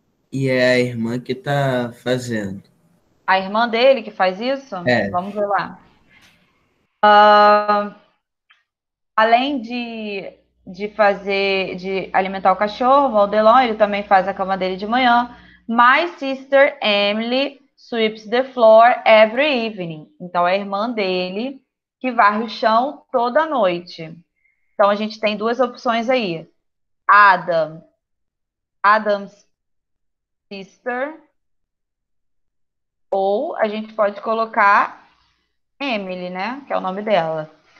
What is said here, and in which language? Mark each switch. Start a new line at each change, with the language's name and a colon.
Portuguese: E é a irmã que está fazendo. A irmã dele que faz isso? É. Vamos ver lá. Além de alimentar o cachorro, o Aldelon, ele também faz a cama dele de manhã.
English: My sister Emily sweeps the floor every evening.
Portuguese: Então, é a irmã dele que varre o chão toda noite. Então, a gente tem duas opções aí.
English: Adam's sister.
Portuguese: Ou a gente pode colocar Emily, né? Que é o nome dela.